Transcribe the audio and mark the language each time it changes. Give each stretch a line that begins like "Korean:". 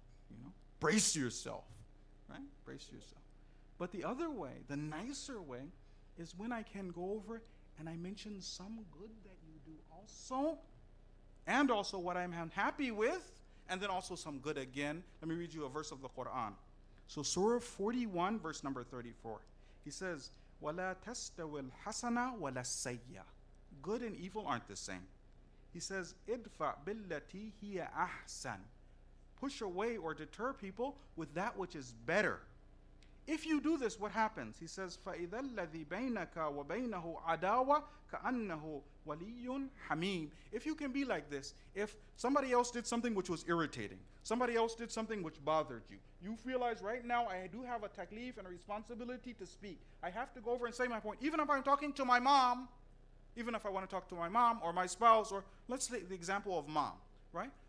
English: You know, brace yourself, right? Brace yourself. But the other way, the nicer way, is when I can go over and I mention some good that you do also, and also what I'm happy with, and then also some good again. Let me read you a verse of the Quran. So Surah 41, verse number 34. He says,
Arabic: وَلَا تَسْتَوِ الْحَسَنَةُ وَلَا السَّيِّئَةُ.
English: Good and evil aren't the same. He says,
Arabic: اِدْفَعْ بِالَّتِي هِيَ أَحْسَنُ.
English: Push away or deter people with that which is better. If you do this, what happens? He says,
Arabic: فَإِذَا الَّذِي بَيْنَكَ وَبَيْنَهُ عَدَاوَةً كَأَنَّهُ وَلِيٌّ حَمِيمٌ.
English: If you can be like this, if somebody else did something which was irritating, somebody else did something which bothered you, you realize right now I do have a taklif and a responsibility to speak. I have to go over and say my point. Even if I'm talking to my mom, even if I want to talk to my mom or my spouse, or let's take the example of mom, right?